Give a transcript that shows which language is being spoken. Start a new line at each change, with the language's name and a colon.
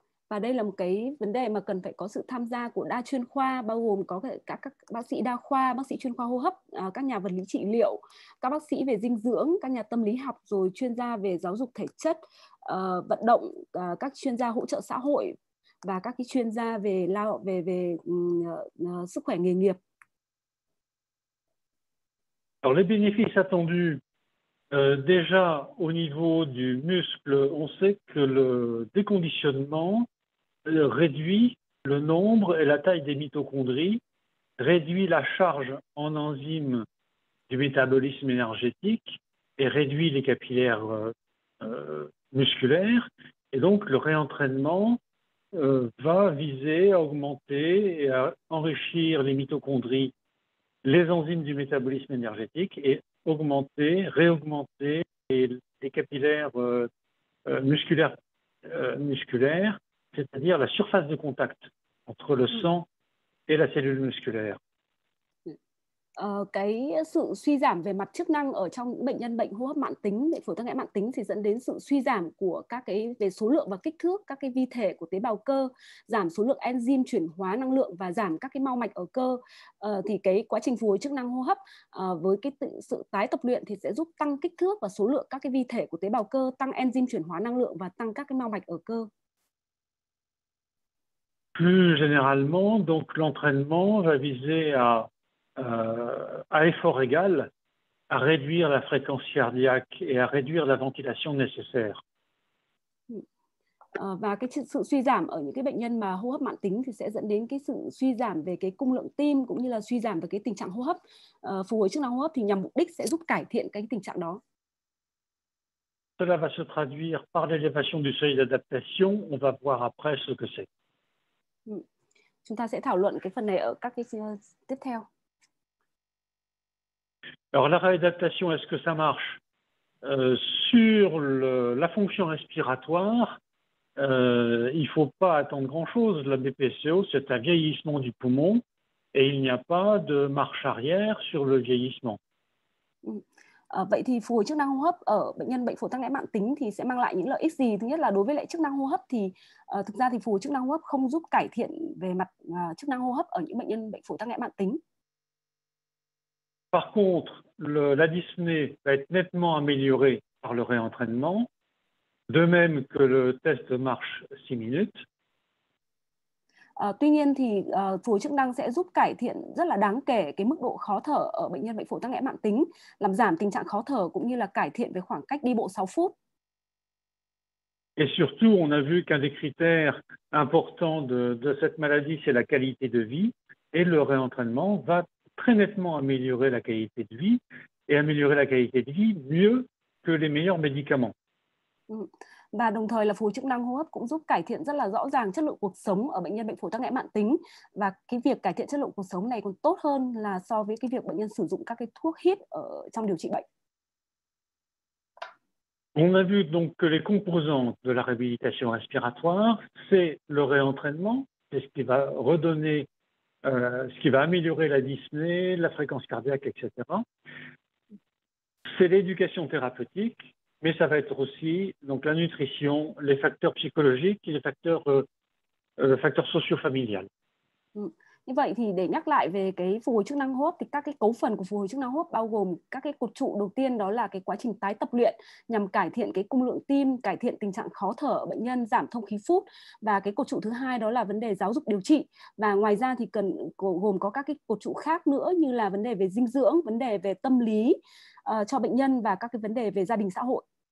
Vietnamese: Và đây là một cái vấn đề mà cần phải có sự tham gia của đa chuyên khoa, bao gồm có các bác sĩ đa khoa, bác sĩ chuyên khoa hô hấp, các nhà vật lý trị liệu, các bác sĩ về dinh dưỡng, các nhà tâm lý học, rồi chuyên gia về giáo dục thể chất, vận động, các chuyên gia hỗ trợ xã hội, và các cái chuyên gia về lao về về sức khỏe nghề nghiệp.
French: Alors les bénéfices attendus, déjà au niveau du muscle, on sait que le déconditionnement réduit le nombre et la taille des mitochondries, réduit la charge en enzymes du métabolisme énergétique et réduit les capillaires musculaires, et donc le réentraînement va viser à augmenter et à enrichir les mitochondries, les enzymes du métabolisme énergétique et augmenter, réaugmenter les capillaires musculaires, c'est-à-dire la surface de contact entre le sang et la cellule musculaire.
Vietnamese: Cái sự suy giảm về mặt chức năng ở trong bệnh nhân bệnh hô hấp mãn tính, bệnh phổi tắc nghẽn mãn tính thì dẫn đến sự suy giảm của các cái về số lượng và kích thước các cái vi thể của tế bào cơ, giảm số lượng enzyme chuyển hóa năng lượng và giảm các cái mao mạch ở cơ, thì cái quá trình phục hồi chức năng hô hấp với cái sự tái tập luyện thì sẽ giúp tăng kích thước và số lượng các cái vi thể của tế bào cơ, tăng enzyme chuyển hóa năng lượng và tăng các cái mao mạch ở cơ.
French: Plus généralement, donc l'entraînement va viser à effort égal, à réduire la fréquence cardiaque et à réduire la ventilation nécessaire.
Vietnamese: Và cái sự suy giảm ở những cái bệnh nhân mà hô hấp mãn tính thì sẽ dẫn đến cái sự suy giảm về cái cung lượng tim cũng như là suy giảm về cái tình trạng hô hấp. Phục hồi chức năng hô hấp thì nhằm mục đích sẽ giúp cải thiện cái tình trạng đó.
French: Cela va se traduire par l'élévation du seuil d'adaptation. On va voir après ce que c'est.
Vietnamese: Chúng ta sẽ thảo luận cái phần này ở các cái tiếp theo.
French: Alors la réadaptation, est-ce que ça marche sur la fonction respiratoire? Il ne faut pas attendre grand-chose. La BPCO, c'est un vieillissement du poumon et il n'y a pas de marche arrière sur le vieillissement.
Vietnamese: Vậy thì phục hồi chức năng hô hấp ở bệnh nhân bệnh phổi tắc nghẽn mãn tính thì sẽ mang lại những lợi ích gì? Thứ nhất là đối với lại chức năng hô hấp thì thực ra thì phục hồi chức năng hô hấp không giúp cải thiện về mặt chức năng hô hấp ở những bệnh nhân bệnh phổi tắc nghẽn mãn tính.
French: Par contre, la dyspnée va être nettement améliorée par le réentraînement, de même que le test de marche 6 minutes.
Vietnamese: Tuy nhiên thì phù chức năng sẽ giúp cải thiện rất là đáng kể cái mức độ khó thở ở bệnh nhân bệnh phổi tắc nghẽn mãn tính, làm giảm tình trạng khó thở cũng như là cải thiện về khoảng cách đi bộ 6 phút.
French: Et surtout, on a vu qu'un des critères importants de cette maladie, c'est la qualité de vie. Et le réentraînement va très nettement améliorer la qualité de vie et améliorer la qualité de vie mieux que les meilleurs médicaments.
Vietnamese: Và đồng thời là phục hồi chức năng hô hấp cũng giúp cải thiện rất là rõ ràng chất lượng cuộc sống ở bệnh nhân bệnh phổi tắc nghẽn mãn tính. Và cái việc cải thiện chất lượng cuộc sống này còn tốt hơn là so với cái việc bệnh nhân sử dụng các cái thuốc hít ở trong điều trị bệnh.
French: On a vu donc que les composantes de la réhabilitation respiratoire, c'est le réentraînement, c'est ce qui va redonner, ce qui va améliorer la dyspnée, la fréquence cardiaque, etc. C'est l'éducation thérapeutique, mais ça va être aussi donc, la nutrition, les facteurs psychologiques et les facteurs, facteurs socio-familiales.
Vietnamese: Như vậy thì để nhắc lại về cái phục hồi chức năng hô hấp thì các cái cấu phần của phục hồi chức năng hô hấp bao gồm các cái cột trụ đầu tiên đó là cái quá trình tái tập luyện nhằm cải thiện cái cung lượng tim, cải thiện tình trạng khó thở ở bệnh nhân, giảm thông khí phút. Và cái cột trụ thứ hai đó là vấn đề giáo dục điều trị. Và ngoài ra thì cần gồm có các cái cột trụ khác nữa như là vấn đề về dinh dưỡng, vấn đề về tâm lý cho bệnh nhân và các cái vấn đề về gia đình xã hội.